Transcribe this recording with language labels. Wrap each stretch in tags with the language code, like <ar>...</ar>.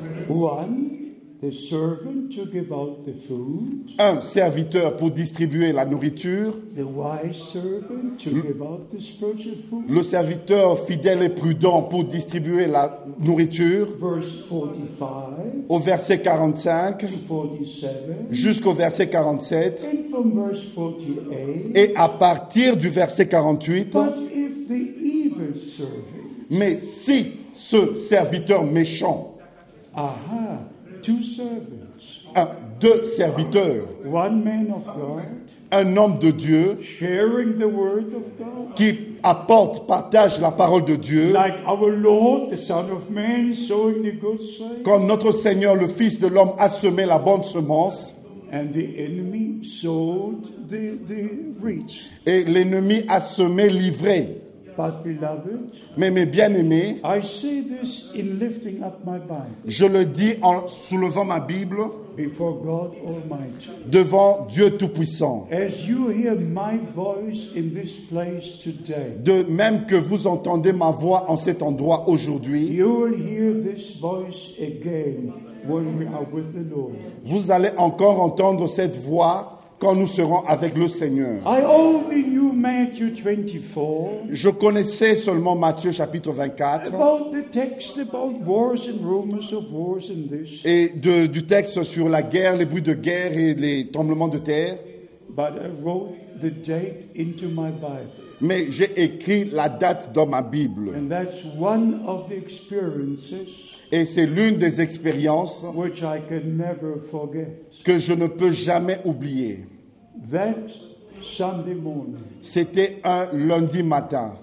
<en>One, the servant to give out the food.</en> <fr>Un serviteur pour distribuer la nourriture.</fr> <en>The wise servant to give out the spiritual food.</en> <fr>Le serviteur fidèle et prudent pour distribuer la nourriture.</fr> <en>Verse 45.</en> <fr>Au verset 45.</fr> <en>To 47.</en> <fr>Jusqu'au verset 47.</fr> <en>And from verse 48.</en> <fr>Et à partir du verset 48.</fr> <en>But if the evil servant.</en> <fr>Mais si ce serviteur méchant.</fr> <en>Aha, two servants.</en> <fr>deux serviteurs.</fr> <en>One man of God,</en> <fr>un homme de Dieu</fr> <en>sharing the word of God,</en> <fr>qui apporte, partage la parole de Dieu,</fr> <en>like our Lord, the Son of Man, sowing the good seed,</en> <fr>comme notre Seigneur, le Fils de l'homme, a semé la bonne semence,</fr> <en>and the enemy sowed the rich.</en> <fr>Et l'ennemi a semé l'ivraie.</fr> <en>But beloved,</en> <fr>mais mes bien-aimés,</fr> <en>I say this in lifting up my Bible,</en> <fr>je le dis en soulevant ma Bible</fr> <en>before God Almighty,</en> <fr>devant Dieu Tout-Puissant.</fr> <en>As you hear my voice in this place today,</en> <fr>de même que vous entendez ma voix en cet endroit aujourd'hui,</fr> <en>you will hear this voice again when we are with the Lord.</en> <fr>Vous allez encore entendre cette voix quand nous serons avec le Seigneur.</fr> <en>I only knew Matthew 24,</en> <fr>je connaissais seulement Matthieu chapitre 24.</fr> <en>About the text about wars and rumors of wars and this.</en> <fr>Et du texte sur la guerre, les bruits de guerre et les tremblements de terre.</fr> <en>But I wrote the date into my Bible.</en> <fr>Mais j'ai écrit la date dans ma Bible.</fr> <en>And that's one of the experiences.</en> <fr>Et c'est l'une des expériences</fr> <en>which I can never forget.</en> <fr>Que je ne peux jamais oublier.</fr> <en>That Sunday morning,</en> <fr>c'était un lundi matin.</fr>